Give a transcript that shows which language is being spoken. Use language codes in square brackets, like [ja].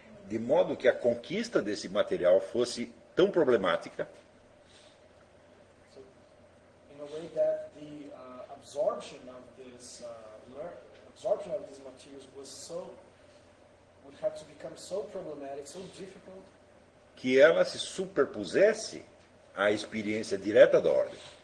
[pt] De modo que a conquista desse material fosse tão problemática. [en] So, in a way that the absorption of this absorption of these materials was so, would have to become so problematic, so difficult. [pt] Que ela se superpusesse a experiência direta da ordem.